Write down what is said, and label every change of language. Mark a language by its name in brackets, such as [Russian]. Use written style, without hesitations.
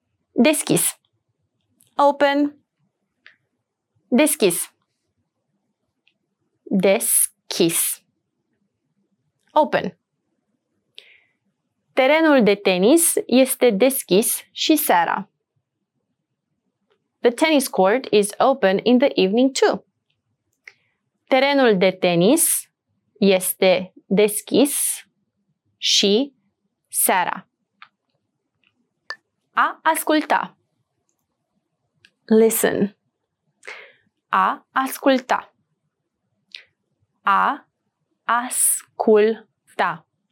[Romanian] Deschis. [English] Open. [Romanian] Deschis. Deschis. [English] Open. [Romanian] Terenul de tenis este deschis și seara. [English] The tennis court is open in the evening too. [Romanian] Terenul de tenis este deschis și seara. A asculta. [English] Listen. [Romanian] A asculta. A asculta.